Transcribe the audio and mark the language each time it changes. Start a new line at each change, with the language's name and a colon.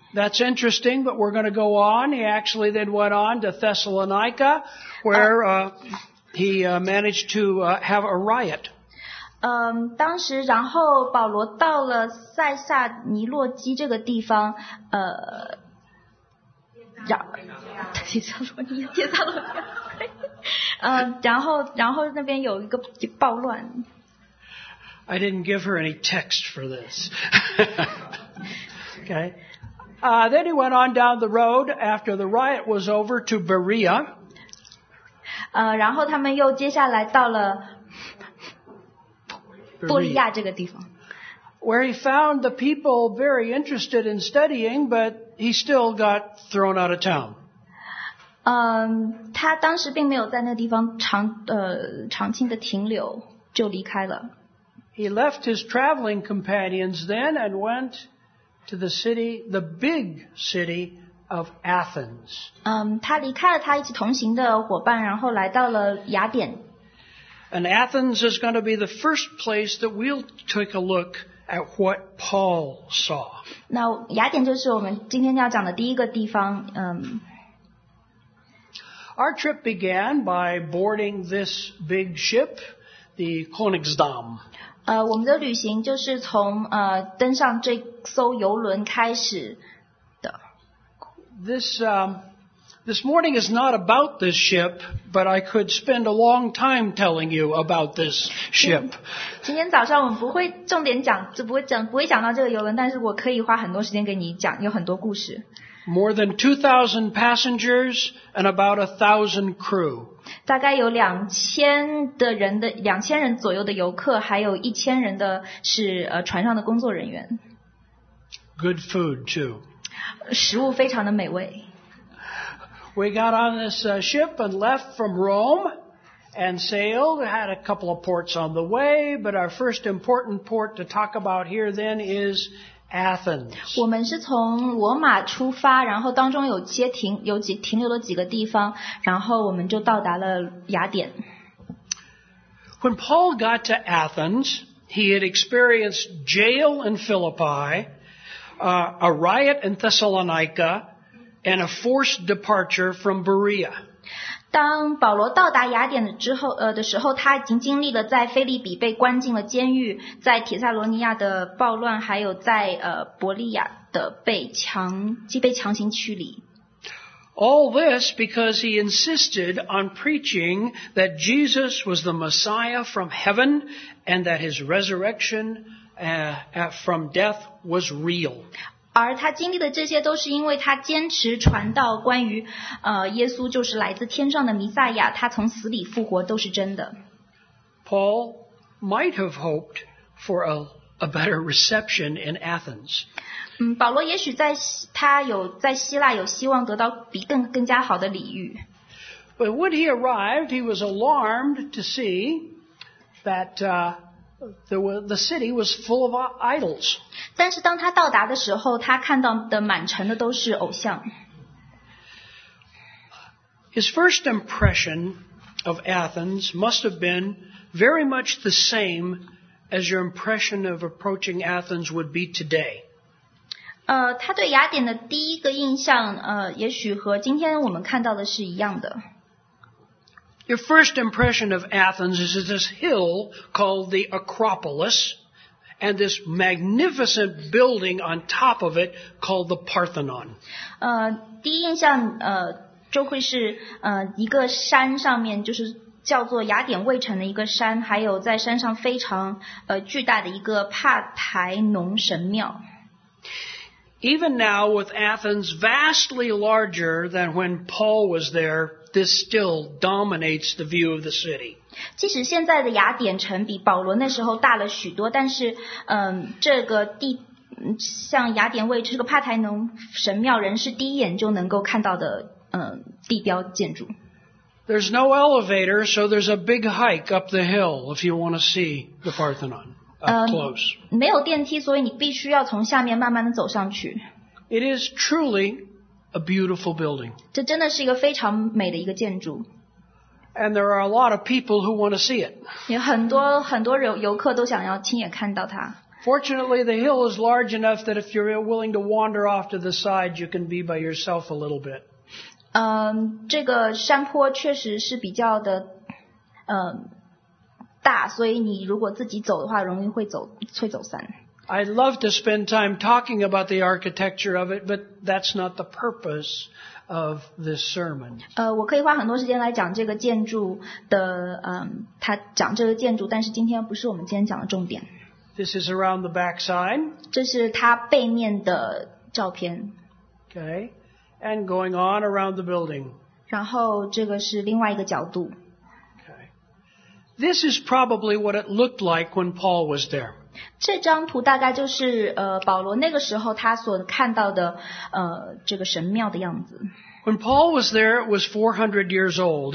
English: That's interesting, but we're going to go on. He actually then went on to Thessalonica, where he managed to have a riot.
Chinese: 当时然后保罗到了塞萨尼洛基这个地方，然后那边有一个暴乱。
English: I didn't give her any text for this. Okay. Then he went on down the road after the riot was over to Berea.
Chinese: 然后他们又接下来到了布利亚这个地方。
English: Where he found the people very interested in studying, but he still got thrown out of town.
Chinese: 他当时并没有在那地方长期的停留，就离开了。
English: He left his traveling companions then and went to the city, the big city of Athens.
Chinese: 他离开了他一起同行的伙伴，然后来到了雅典。
English: And Athens is going to be the first place that we'll take a look at what Paul saw.
Chinese: 那雅典就是我们今天要讲的第一个地方。
English: Our trip began by boarding this big ship, the Königsdamm.
Chinese: 我们的旅行就是从登上这艘游轮开始的。
English: This morning is not about this ship, but I could spend a long time telling you about this ship.
Chinese: 今天早上我们不会重点讲，就不会讲到这个游轮，但是我可以花很多时间给你讲，有很多故事。
English: More than 2,000 passengers and about 1,000 crew.
Chinese: 大概有两千人左右的游客，还有一千人的是船上的工作人员。
English: Good food too.
Chinese: 食物非常的美味。
English: We got on this ship and left from Rome and sailed. We had a couple of ports on the way, but our first important port to talk about here then is Athens.
Chinese: 我们是从罗马出发，然后当中停留了几个地方，然后我们就到达了雅典。
English: When Paul got to Athens, he had experienced jail in Philippi, a riot in Thessalonica,and a forced departure from Berea.
Chinese: 当保罗到达雅典的时候，他已经经历了在腓立比被关进了监狱，在帖撒罗尼亚的暴乱，还有在伯利亚的被强行驱离。
English: All this because he insisted on preaching that Jesus was the Messiah from heaven and that his resurrection from death was real.
Chinese: 而他经历的这些都是因为他坚持传道关于耶稣就是来自天上的弥赛亚，他从死里复活都是真的。
English: Paul might have hoped for a better reception in Athens.
Chinese: 保罗也许在他有在希腊有希望得到比更加好的礼遇。
English: But when he arrived, he was alarmed to see that the city was full of idols.
Chinese: 但是当他到达的时候，他看到的满城的都是偶像。
English: His first impression of Athens must have been very much the same as your impression of approaching Athens would be today.
Chinese: 他对雅典的第一个印象，也许和今天我们看到的是一样的。
English: Your first impression of Athens is this hill called the Acropolis and this magnificent building on top of it called the Parthenon.
Chinese: 第一印象就会是一个山上面就是叫做雅典卫城的一个山，还有在山上非常巨大的一个帕台农神庙。
English: Even now with Athens vastly larger than when Paul was there,This still dominates the view of the city.
Chinese: 即使现在的雅典城比保罗那时候大了许多，但是，这个地，像雅典卫城，这个帕台农神庙，人是第一眼就能够看到的，地标建筑。
English: There's no elevator, so there's a big hike up the hill if you want to see the Parthenon up close.
Chinese: 没有电梯，所以你必须要从下面慢慢的走上去。
English: It is truly. A beautiful building.
Chinese: 这真的是一个非常美的一个建筑。
English: And there are a lot of people who want to see it.
Chinese: 有很多很多游客都想要亲眼看到它。
English: Fortunately, the hill is large enough that if you're willing to wander off to the side, you can be by yourself a little bit.
Chinese: 这个山坡确实是比较的大，所以你如果自己走的话，容易会走散。
English: I'd love to spend time talking about the architecture of it, but that's not the purpose of this sermon.
Chinese: 我可以花很多时间来讲这个建筑的，他讲这个建筑，但是今天不是我们今天讲的重点。
English: This is around the back side.
Chinese: 这是它背面的照片。
English: Okay, and going on around the building.
Chinese: 然后这个是另外一个角度。
English: Okay, this is probably what it looked like when Paul was there.
Chinese: 这张图大概就是保罗那个时候他所看到的这个神庙的样子。
English: When Paul was there, it was 400 years old.